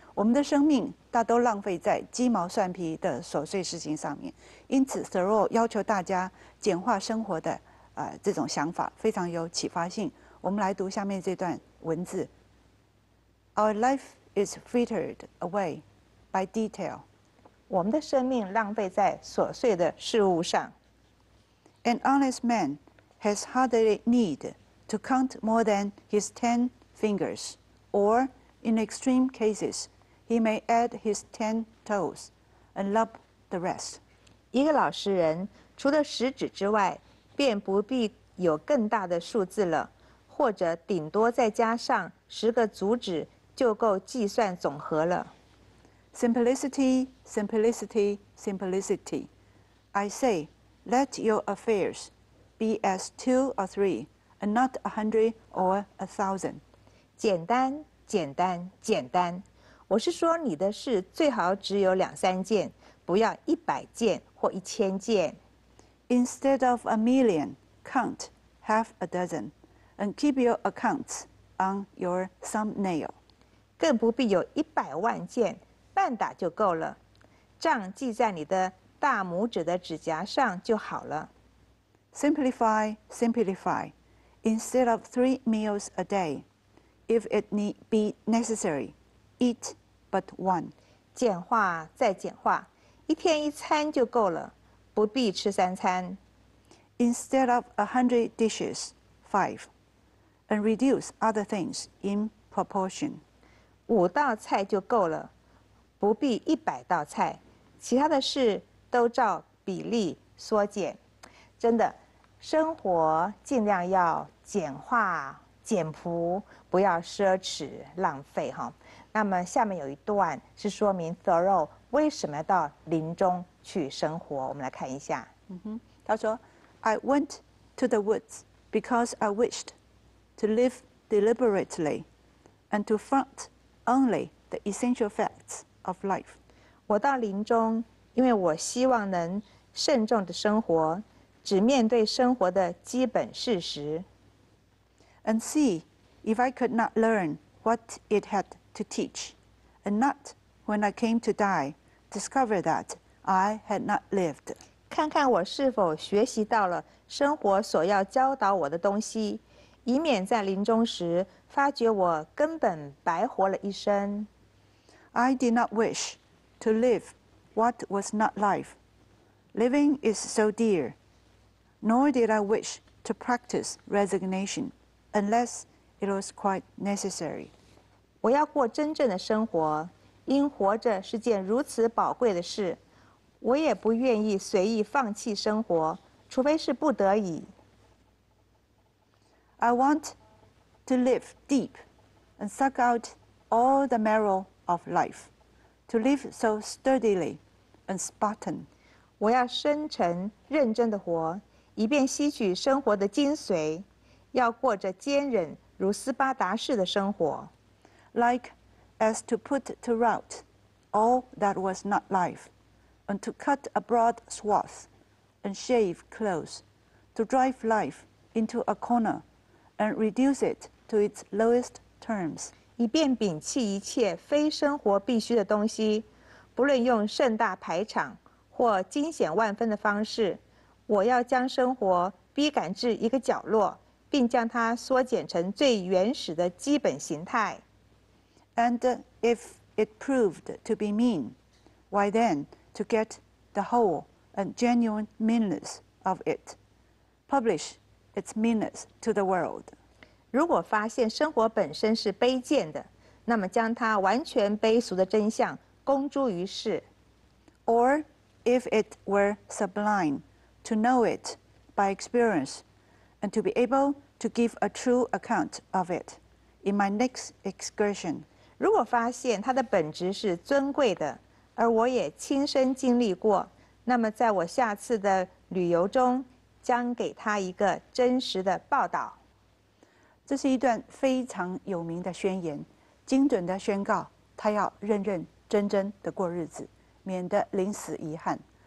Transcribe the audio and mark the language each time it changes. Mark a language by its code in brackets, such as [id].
[zh] 我们的生命大都浪费在鸡毛蒜皮的琐碎事情上面，因此 Thoreau 要求大家简化生活的。这种想法非常有启发性。我们来读下面这段文字 ： [en] Our life is frittered away by detail。 [zh] 我们的生命浪费在琐碎的事物上。 [en] An honest man has hardly need to count more than his 10 fingers, or in extreme cases, he may add his 10 toes and lump the rest。 [zh] 一个老实人除了食指之外，便不必有更大的数字了，或者顶多再加上十个足指就够计算总和了。 [en] Simplicity, simplicity, simplicity. I say, let your affairs be as 2 or 3, and not 100 or 1,000. [zh] 简单，简单，简单。我是说，你的事最好只有两三件，不要100件或1,000件。 [en] Instead of a million, count half a dozen, and keep your accounts on your thumbnail. [zh] 更不必有100万件，半打就够了，账记在你的大拇指的指甲上就好了。 [en] Simplify, simplify. Instead of 3 meals a day, if it need be necessary, eat but one. [zh] 简化再简化，一天一餐就够了。不必吃三餐。 [en] Instead of 100 dishes, 5, and reduce other things in proportion. [zh] 5道菜就够了，不必100道菜，其他的事都照比例缩减。真的，生活尽量要简化、简朴，不要奢侈浪费哈。那么下面有一段是说明 Thoreau 为什么要到临终去生活，我们来看一下。嗯哼，他说 [en] ，I went to the woods because I wished to live deliberately and to front only the essential facts of life。 [zh] 我到临终，因为我希望能慎重的生活，只面对生活的基本事实。 [en] And see if I could not learn what it had to teach, and not when I came to die, discover that。 I had not lived. [zh] 看看我是否学习到了生活所要教导我的东西，以免在临终时发觉我根本白活了一生。 [en] I did not wish to live what was not life. Living is so dear. Nor did I wish to practice resignation unless it was quite necessary. [zh] 我要过真正的生活，因活着是件如此宝贵的事。我也不愿意随意放弃生活，除非是不得已。 [en] I want to live deep and suck out all the marrow of life, to live so sturdily and Spartan. [zh] 我要深沉认真的活，以便吸取生活的精髓，要过着坚忍如斯巴达式的生活。 [en] Like as to put to rout all that was not life, and to cut a broad swath, and shave close, to drive life into a corner, and reduce it to its lowest terms. [zh] 以便摒弃一切非生活必需的东西，不论用盛大排场或惊险万分的方式，我要将生活逼赶至一个角落，并将它缩减成最原始的基本形态。 [en] And if it proved to be mean, why then to get the whole and genuine meanness of it, publish its meanness to the world? [zh] 如果发现生活本身是卑贱的，那么将它完全卑俗的真相公诸于世。 [en] Or if it were sublime. To know it by experience, and to be able to give a true account of it in my next excursion. [zh] 如果发现它的本质是尊贵的，而我也亲身经历过，那么在我下次的旅游中，将给它一个真实的报道。这是一段非常有名的宣言，精准的宣告他要认认真真的过日子，免得临死遗憾。